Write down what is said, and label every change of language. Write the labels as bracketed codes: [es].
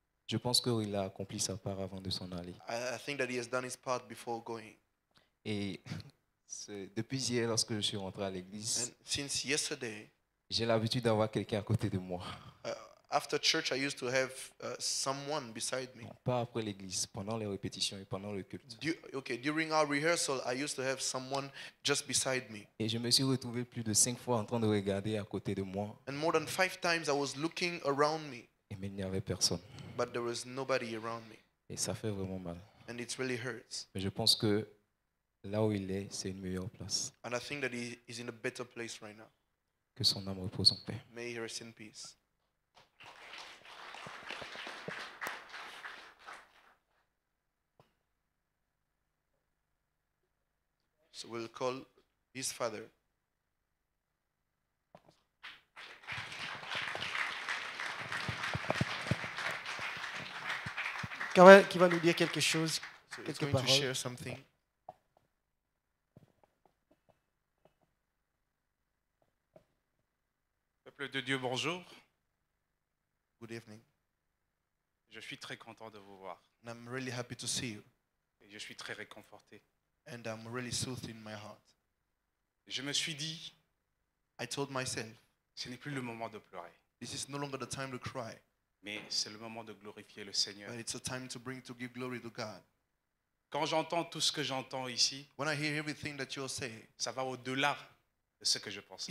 [fr] je pense qu'il a accompli sa part avant de s'en aller. [en] I think that he has done his part before going. [fr] Et depuis hier, lorsque je suis rentré à l'église, [en] since yesterday, [fr] j'ai l'habitude d'avoir quelqu'un à côté de moi. [en] After church, I used to have someone beside me. [fr] Pas après l'église, pendant les répétitions et pendant le culte. [en] During our rehearsal, I used to have someone just beside me. [fr] Et je me suis retrouvé plus de 5 fois en train de regarder à côté de moi. [en] And more than 5 times, I was looking around me. [fr] Et mais il n'y avait personne. [en] But there was nobody around me. [fr] Et ça fait vraiment mal. [en] And it really hurts. [fr] Mais je pense que là où il est, c'est une meilleure place. [en] And I think that he is in a better place right now. [fr] Que son âme repose en paix. [en] May he rest in peace. So we'll call his father. [fr] Karel, qui va nous dire quelque chose, quelques paroles. [en] So he's going to share something. [fr] Peuple de Dieu, bonjour. [en] Good evening. [fr] Je suis très content de vous voir. [en] And I'm really happy to see you. [fr] Et je suis très réconforté. [en] And I'm really soothed in my heart. [fr] Je me suis dit, [en] I told myself, [fr] ce n'est plus le moment de pleurer. [en] This is no longer the time to cry. [fr] Mais c'est le moment de glorifier le Seigneur. [en] But it's a time to bring to give glory to God. [fr] Quand j'entends tout ce que j'entends ici, [en] when I hear everything that you say, [fr] ça va au-delà de ce que je pensais.